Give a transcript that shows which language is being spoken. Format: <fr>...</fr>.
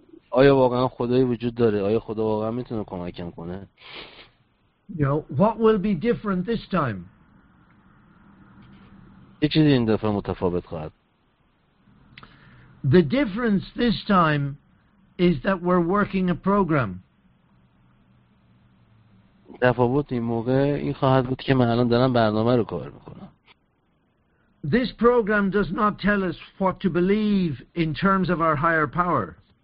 <fa>آیا واقعا خدایی وجود داره؟ آیا خدا واقعا میتونه کمکم کنه؟</fa> <en>What will be different this time?</en> <fa>یه چیزی این دفعه متفاوت خواهد.</fa> <en>The difference this time is that we're working a program.</en> <fa>تفاوت این موقع این خواهد بود که من الان دارم برنامه رو کار میکنم.</fa> <en>This program does not tell us what to believe in terms of our higher power.</en>